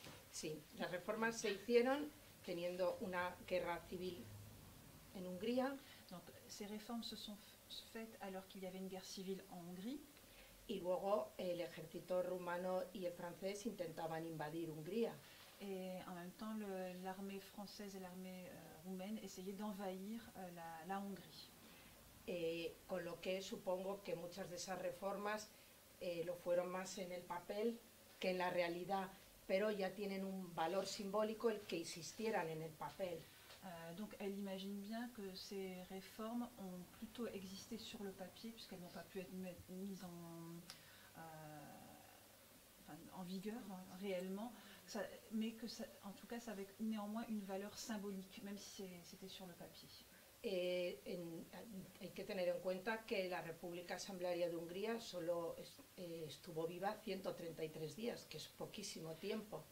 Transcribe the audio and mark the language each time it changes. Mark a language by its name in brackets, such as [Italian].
[Spanish] Sí, las reformas se hicieron teniendo una guerra civil en Hungría. [French] Donc, ces réformes se sont faites alors qu'il y avait une guerre civile en Hongrie. [Spanish] Y luego el ejército rumano y el francés intentaban invadir Hungría. [French] Et en même temps, l'armée française et l'armée roumaine essayaient d'envahir la Hongrie. [Spanish] Et con lo que supongo que muchas de esas reformas lo fueron más en el papel que en la realidad, pero ya tienen un valor simbólico el que insistieran en el papel. [French] Donc elle imagine bien que ces réformes ont plutôt existé sur le papier puisqu'elles n'ont pas pu être mises en vigueur réellement, en tout cas ça avait néanmoins une valeur symbolique, même si c'était sur le papier. [Spanish] Et hay que tener en cuenta que la República Asamblearia de Hungría solo estuvo viva 133 días, que es poquísimo tiempo.